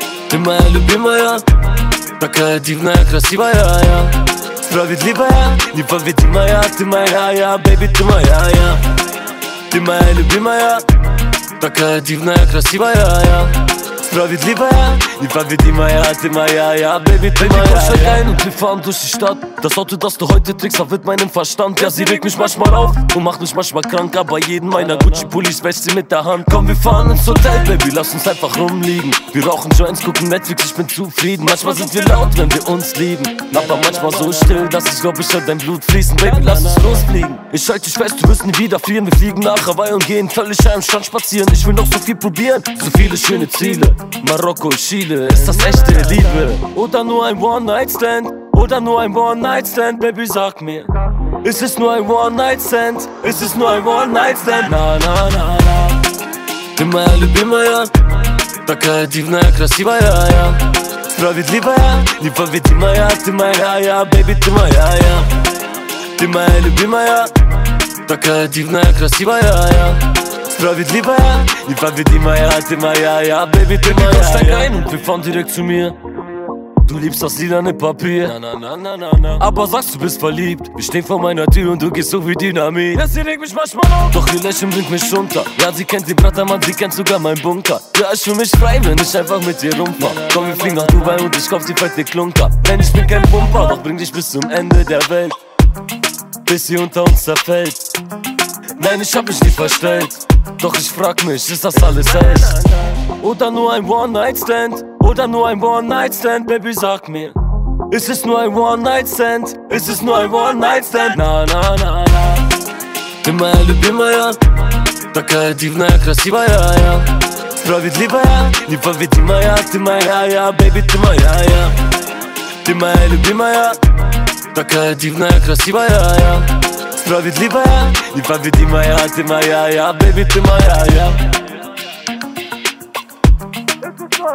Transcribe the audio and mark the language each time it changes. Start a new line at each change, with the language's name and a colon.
Russian: Ты моя любимая, такая дивная, красивая я. Справедливая, непобедимая, ты моя я, baby, ты моя я. Ты моя любимая, такая дивная, красивая я. Справедливая, непобедимая, ты моя я, baby, ты моя я. Baby,
German: komm schon rein und wir fahren durch die Stadt. Das sollte, dass du heute trägst, verwirrt meinen Verstand. Ja, sie regt mich manchmal auf und macht mich manchmal krank. Aber jeden meiner Gucci-Pullis wäscht sie mit der Hand. Komm, wir fahren ins Hotel, baby, lass uns einfach rumliegen. Wir rauchen Joints, gucken Netflix, ich bin zufrieden. Manchmal sind wir laut, wenn wir uns lieben. Aber manchmal so still, dass ich glaub, ich hör dein Blut fließen. Baby, lass uns losfliegen. Ich halte dich fest, du wirst nie wieder frieren. Wir fliegen nach Hawaii und gehen völlig am Strand spazieren. Ich will noch so viel probieren, so viele schöne Ziele. Marokko, Chile, ist das echte Liebe? Oder nur ein One-Night-Stand? Oder nur ein One-Night-Stand? Baby, sag mir, ist es nur ein One-Night-Stand? Ist es nur ein One-Night-Stand? Na, na, na, na.
Russian: Ты моя любимая, такая дивная, красивая я. Справедливая, непобедимая, ты моя я. Baby, ты моя я. Ты моя любимая, такая дивная, красивая я. Справедливая, непобедимая, ты моя я, baby, ты моя.
German: Ich steig rein und wir fahren direkt zu mir. Du liebst das lilane Papier. Na, na, na, na, na, na. Aber sagst, du bist verliebt. Ich steh vor meiner Tür und du gehst so wie Dynamit. Ja, sie regt mich manchmal auf. Doch ihr Lächeln bringt mich runter. Ja, sie kennt den Bratermann, sie kennt sogar meinen Bunker. Ja, ich fühl mich frei, wenn ich einfach mit dir rumfahr. Komm, wir fliegen nach Dubai und ich kauf sie fett den Klunker. Denn ich bin kein Pumper, doch bring dich bis zum Ende der Welt. Bis sie unter uns zerfällt. Nein, ich hab mich nie verstellt. Doch ich frag mich, ist das alles echt? Oder nur ein One-Night-Stand? Oder nur ein One-Night-Stand? Baby, sag mir, ist es nur ein One-Night-Stand? Ist es nur ein One-Night-Stand? Na, na, na, na.
Russian: Ты моя любимая, такая дивная, красивая я. Справедливая, непобедимая, ты моя я. Baby, ты моя я. Ты моя любимая, такая дивная, красивая я. Справедливая, непобедимая, ты моя я, baby, ты моя я.